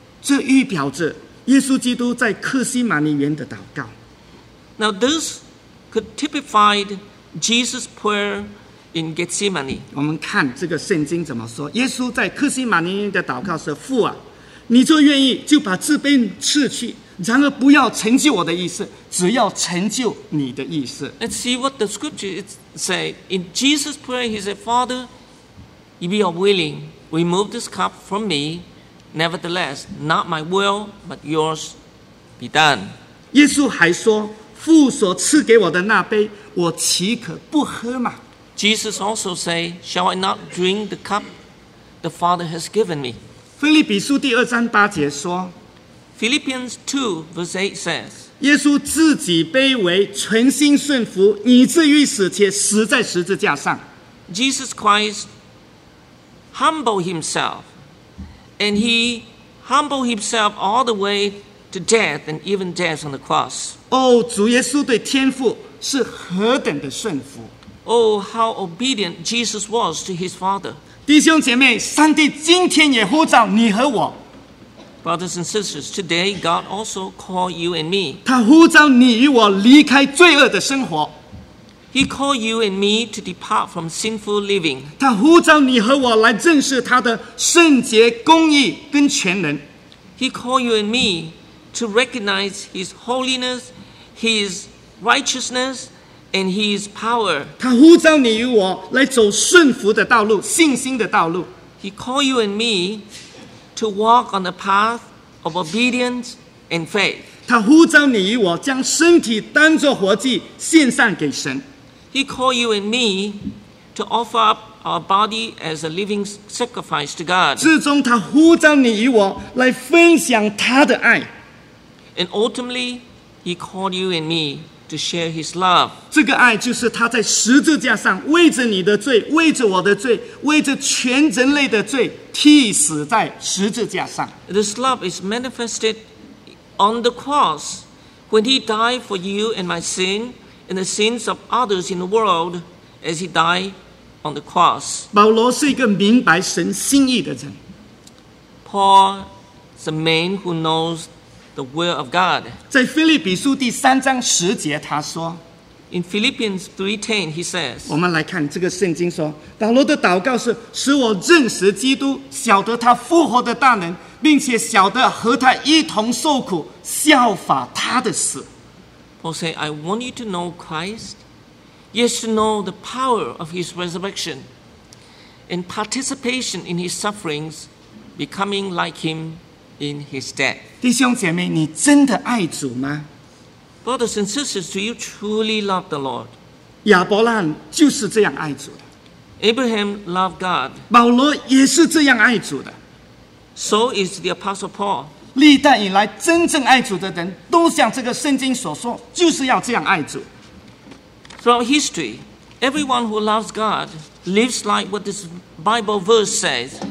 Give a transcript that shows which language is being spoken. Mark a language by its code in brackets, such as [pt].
[zh] 这预表着耶稣基督在克西马尼园的祷告。 [en] Now this could typify Jesus' prayer in Gethsemane. [zh] 我们看这个圣经怎么说，耶稣在克西马尼园的祷告是，父啊，你若愿意就把这杯赐去，然而不要成就我的意思，只要成就你的意思。 [en] Let's see what the scripture say. In Jesus' prayer, he said, Father, if you are willing, remove this cup from me. Nevertheless, not my will, but yours be done. [zh] 耶稣还说，父所赐给我的那杯，我岂可不喝吗？ [en] Jesus also said, Shall I not drink the cup the Father has given me? [zh] 腓立比书第二章八节说， [en] Philippians 2 verse 8 says, [zh] 耶稣自己卑微，存心顺服，以至于死，且死在十字架上。 [en] Jesus Christ humbled himself, and he humbled himself all the way to death and even death on the cross. [zh] 哦，主耶稣对天父是何等的顺服。 [en] Oh, how obedient Jesus was to his father. [zh] 弟兄姐妹，上帝今天也呼召你和我。 [en] Brothers and sisters, today God also called you and me. [zh] 他呼召你与我离开罪恶的生活。 [en] He called you and me to depart from sinful living. [zh] 他呼召你和我来认识他的圣洁、公义跟全能。 [en] He called you and me to recognize His holiness, His righteousness, and His power. [zh] 他呼召你与我来走顺服的道路、信心的道路。 [en] He called you and me to walk on the path of obedience and faith. [zh] 他呼召你与我将身体当作活祭献上给神。 [en] He called you and me to offer up our body as a living sacrifice to God. [zh] 最终他呼召你与我来分享他的爱。 [en] And ultimately, he called you and me to share his love. [zh] 这个爱就是他在十字架上为着你的罪、为着我的罪、为着全人类的罪替死在十字架上。 [en] This love is manifested on the cross when he died for you and my sin. And the sins of others in the world as he died on the cross. [zh] 保罗是一个明白神心意的人。 [en] Paul is a man who knows the will of God. [zh] 在腓立比书第三章十节他说 [en] In Philippians 3:10 he says, [zh] 我们来看这个圣经说，保罗的祷告是使我认识基督，晓得他复活的大能，并且晓得和他一同受苦，效法他的死。 [en] Paul said, I want you to know Christ, yes, to know the power of his resurrection and participation in his sufferings, becoming like him in his death. [zh] 弟兄姐妹，你真的爱主吗？ [en] Brothers and sisters, do you truly love the Lord? [zh] 亚伯拉罕就是这样爱主的。 [en] Abraham loved God. [zh] 保罗也是这样爱主的。 [en] So is the Apostle Paul. [zh] 历代以来真正爱主的人都像这个圣经所说就是要这样爱主。 [en] Throughout history, everyone who loves God lives like what this Bible verse says.